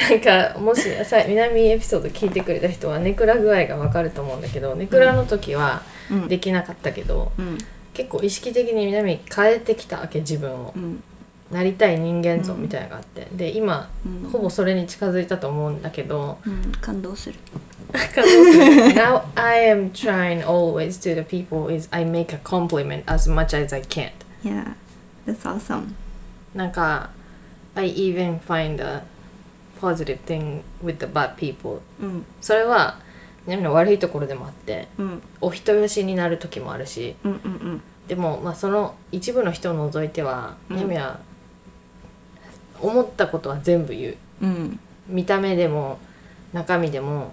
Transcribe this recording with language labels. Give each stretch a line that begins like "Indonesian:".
Japanese: なんかもしさ南エピソード聞いてくれた人はネクラ具合が分かると思うんだけど、うん、ネクラの時はできなかったけど、うん、結構意識的に南変えてきたわけ自分を、うん、なりたい人間像みたいなのがあって、うん、で今、うん、ほぼそれに近づいたと思うんだけど、うん、感動する
English: Now I am trying always to the people is I make a compliment as much as I can. Yeah, that's awesome. なんか I even find a positive thing with the bad people.、
Japanese: うん、それは悪いところでもあって、うん、お人よしになる時もあるし、うんうんうん、でも、まあ、その一部の人を除いては、うん、は思ったことは全部言う、うん、見た目でも中身でも、